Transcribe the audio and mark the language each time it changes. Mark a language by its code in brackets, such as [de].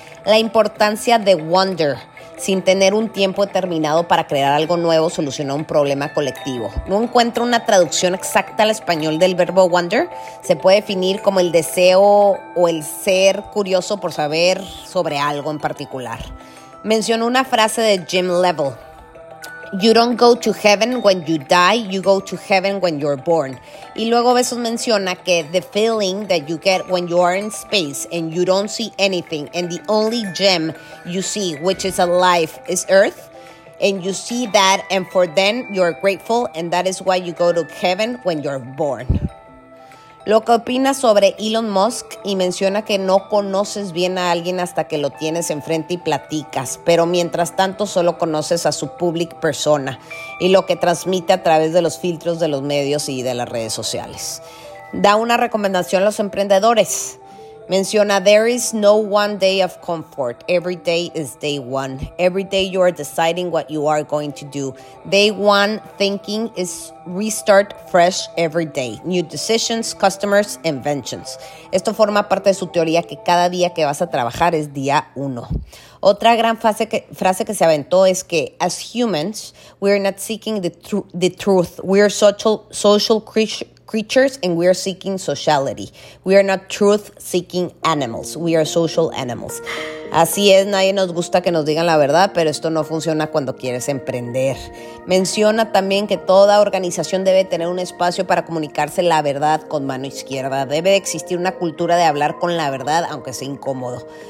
[es] La importancia de wonder, sin tener un tiempo determinado para crear algo nuevo, solucionar un problema colectivo. No encuentro una traducción exacta al español del verbo wonder. Se puede definir como el deseo o el ser curioso por saber sobre algo en particular. Menciono una frase de Jim Lovell. [en] You don't go to heaven when you die, you go to heaven when you're born. [es] Y luego Bezos menciona que [en] the feeling that you get when you are in space and you don't see anything and the only gem you see, which is alive, is Earth, and you see that and for then you're grateful and that is why you go to heaven when you're born. [es] Lo que opina sobre Elon Musk y menciona que no conoces bien a alguien hasta que lo tienes enfrente y platicas, pero mientras tanto solo conoces a su public persona y lo que transmite a través de los filtros de los medios y de las redes sociales. Da una recomendación a los emprendedores. [en] Menciona, there is no one day of comfort. Every day is day one. Every day you are deciding what you are going to do. Day one thinking is restart fresh every day. New decisions, customers, inventions. [es] Esto forma parte de su teoría que cada día que vas a trabajar es día uno. Otra gran frase que se aventó es que, [en] as humans, we are not seeking the truth. We are social creatures and we are seeking sociality. We are not truth seeking animals. We are social animals. [es] Así es, nadie nos gusta que nos digan la verdad, pero esto no funciona cuando quieres emprender. Menciona también que toda organización debe tener un espacio para comunicarse la verdad con mano izquierda. Debe existir una cultura de hablar con la verdad, aunque sea incómodo.